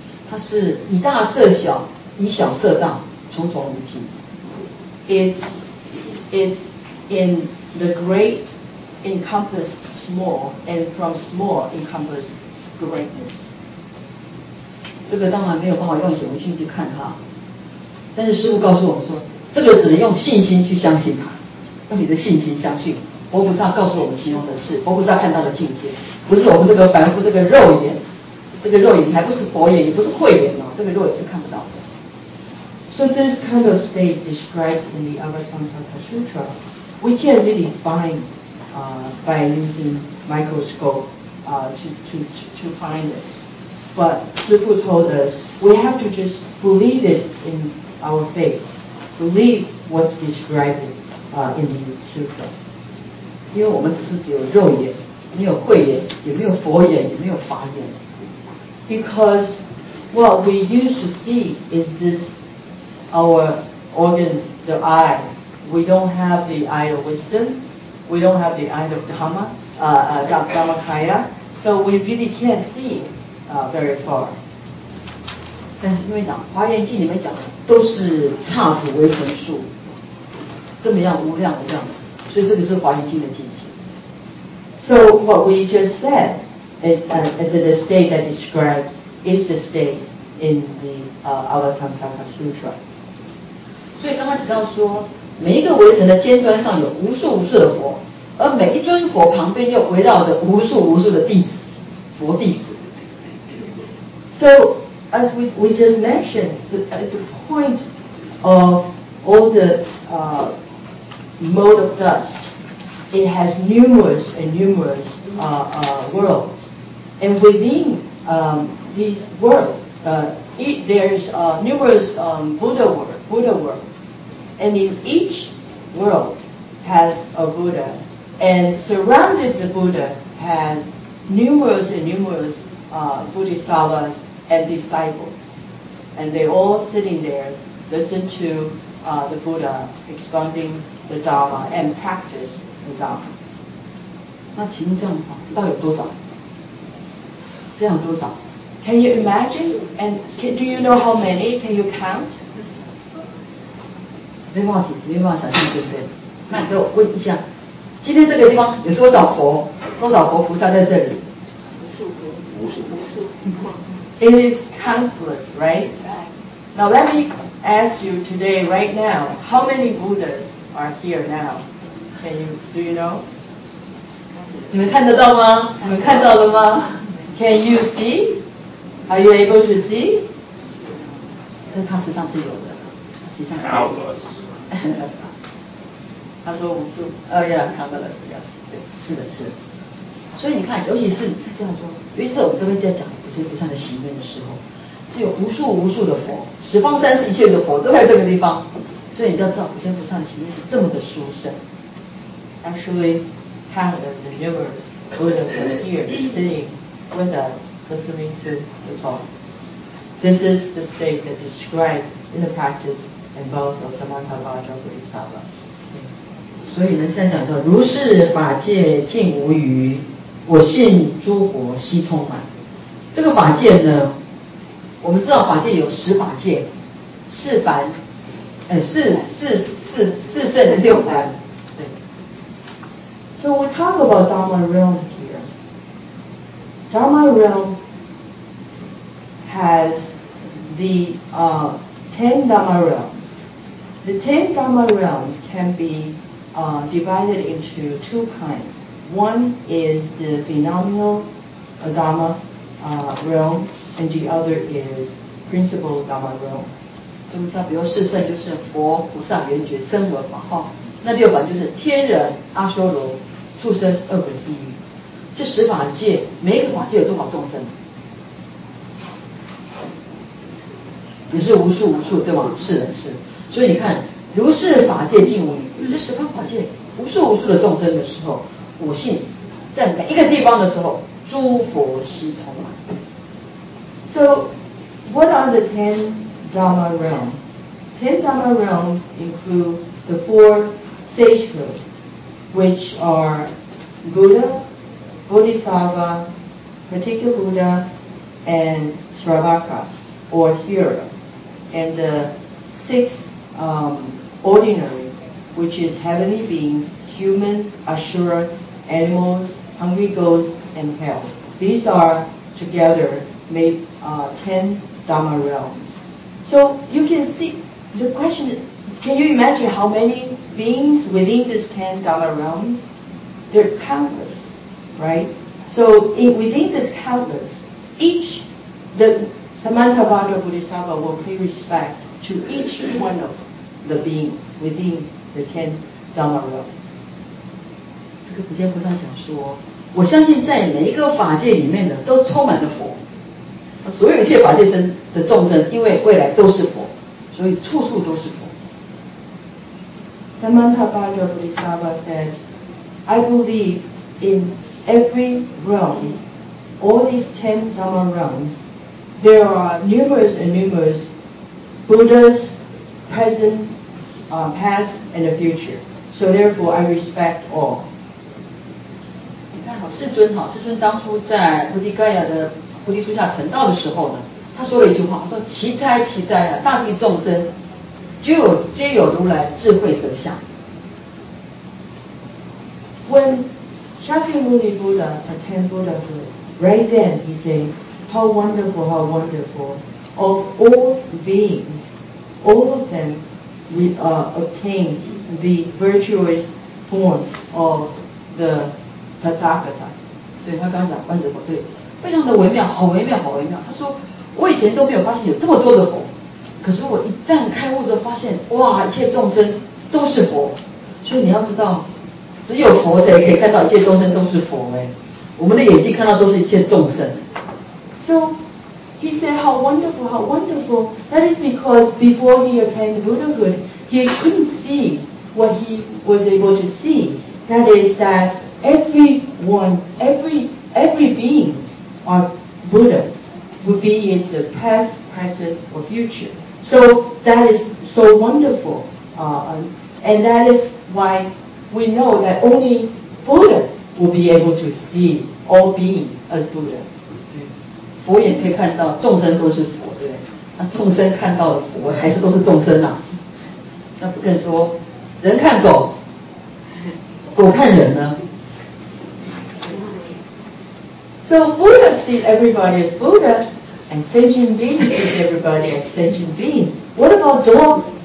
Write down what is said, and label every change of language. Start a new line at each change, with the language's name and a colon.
Chinese: 它是以大色小，以小色大，重重无尽。
English: It's in the great encompass small, and from small encompass greatness.
Chinese: 这个当然没有办法用显微镜去看它，但是师父告诉我们说，这个只能用信心去相信它，用你的信心相信。佛菩萨告诉我们形容的是佛菩萨看到的境界，不是我们这个凡夫这个肉眼，这个肉眼还不是佛眼，也不是慧眼哦，这个肉眼是看不到的。
English: So this kind of state described in the Avatamsaka Sutra, we can't really find by using microscope to find it. But Sifu told us we have to just believe it in our faith. Believe what's described in the Sutra.
Chinese: 因为我们只是只有肉眼，没有慧眼，也没有佛眼，也没有法眼。
English: Because what we used to see is this. Our organ, the eye, we don't have the eye of wisdom, we don't have the eye of Dhamma, Dhammakaya, so we really can't see very far.
Chinese: 但是因为讲华严经里面讲都是刹土微尘数，这么样无量无量，所以这个是华严经的境界。
English: So what we just said, the state that described is the state in the Avatamsaka Sutra.
Chinese: 所以刚刚提到说，每一个微尘的尖端上有无数无数的佛，而每一尊佛旁边又围绕着无数无数的弟子，佛弟子。
English: So as we just mentioned, the point of all the mode of dust, it has numerous and numerous worlds, and within these worlds, there's numerous Buddha worlds. And in each world has a Buddha, and surrounded the Buddha has numerous and numerous Bodhisattvas and disciples. And they're all sitting there, listen to the Buddha expounding the Dharma and practice the Dharma.
Chinese: 那请问这样到底有多少？这样多少？
English: Can you imagine? And do you know how many? Can you count?
Chinese: 没办法想，没办法想象，对不对？那你给我问一下，今天这个地方有多少佛，多少佛菩萨在这里？无数佛，无数无数。
English: It is countless, right? Now let me ask you today, right now, how many Buddhas are here now? Do you know?
Chinese: 你们看得到吗？你们看到了吗
English: ？Can you see? Are you able to see?
Chinese: 但它实际上是有的。
English: Countless.
Chinese: 他说无数。
English: Countless. Yes.
Chinese: 是的，是的。所以你看，尤其是他这样说，尤其是我们这边在讲不是菩萨的行愿的时候，只有无数无数的佛，十方三世一切的佛都在这个地方。所以你要知道，普贤菩萨的行愿是这么的殊胜。
English: Actually, countless numerous Buddhas are here sitting with us, listening to the talk. This is the state that describes. In the practice involves of samatha vajra bodhisattva. So, you can say,
Chinese: 讲说如是法界尽无余，我信诸佛悉充满。这个法界呢，我们知道法界有十法界，四凡，四圣六凡。
English: So, we talk about Dharma realm here. Dharma realm has the, Ten Dharma realms. The ten Dharma realms can be divided into two kinds. One is the phenomenal Dharma realm, and the other is principal Dharma realm.
Chinese: 所以我们知道，比如四圣就是佛、菩萨、圆觉、声闻嘛，哈。那六法就是天人、阿修罗、畜生、恶鬼、地狱。这十法界，每一个法界有多少众生？也是无数无数，对吗？是的，是。所以你看，如是法界尽无余，这十方法界无数无数的众生的时候，我信，在每一个地方的时候，诸佛悉通啊。
English: So, what are the ten Dharma realms? Ten Dharma realms include the four sagehood, which are Buddha, Bodhisattva, Pratitya Buddha, and Sravaka, or hearer, and the six ordinaries, which is heavenly beings, human, asura, animals, hungry ghosts, and hell. These are together made 10 Dharma realms. So you can see the question, can you imagine how many beings within these 10 Dharma realms? They're countless, right? So within this countless, the Samantabhadra Bodhisattva will pay respect to each one of the beings within the 10 Dharma realms.
Chinese: 这个普贤菩萨讲说，我相信在每一个法界里面的都充满了佛，所有一切法界生的众生，因为未来都是佛，所以处处都是佛。
English: Samantabhadra Bodhisattva said, I believe in every realm, all these 10 Dharma realms, there are numerous and numerous Buddhas, present, past, and the future. So therefore, I respect all.
Chinese: 世尊哈，世尊当初在菩提盖亚的菩提树下成道的时候呢，他说了一句话，他说：“奇哉奇哉啊，大地众生，皆有如来智慧德相。”
English: When Shakyamuni Buddha attained Buddhahood, right then he said, "How wonderful, how wonderful! Of all beings, all of them obtain the virtuous form of the.” Tathagata.
Chinese: 对，他刚刚讲观世佛，对，非常的微妙，好微妙，好微妙。他说，我以前都没有发现有这么多的佛，可是我一旦开悟之后，发现哇，一切众生都是佛。所以你要知道，只有佛才可以看到一切众生都是佛。哎，我们的眼睛看到都是一切众生。
English: So he said, "How wonderful, how wonderful." That is because before he attained Buddhahood, he couldn't see what he was able to see. That is that. Every beings are Buddhas, would be in the past, present, or future. So that is so wonderful. And that is why we know that only Buddha will be able to see all beings as Buddha.
Chinese: 佛眼可以看到众生都是佛，对不对？那众生看到了佛，还是都是众生啊？那不更说，人看狗，狗看人呢？
English: So Buddha sees everybody as Buddha, and sentient beings sees everybody as sentient beings. What about dogs?